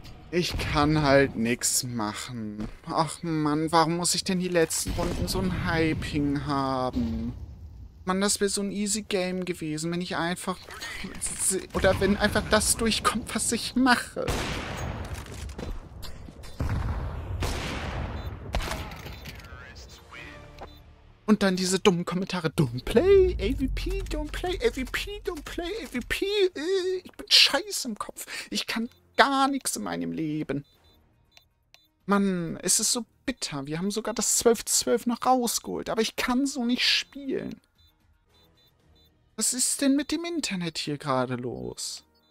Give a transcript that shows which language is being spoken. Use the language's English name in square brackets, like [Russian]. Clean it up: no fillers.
[German] Ich kann halt nichts machen. Ach Mann, warum muss ich denn die letzten Runden so ein Hyping haben? Mann, das wäre so ein [English] easy Game [German] gewesen, wenn ich einfach... Oder wenn einfach das durchkommt, was ich mache. Und dann diese dummen Kommentare. [English] Don't play AVP, don't play AVP, don't play AVP. [German] Ich bin scheiß im Kopf. Ich kann... gar nichts in meinem Leben. Mann, es ist so bitter. Wir haben sogar das 12-12 noch rausgeholt. Aber ich kann so nicht spielen. Was ist denn mit dem Internet hier gerade los?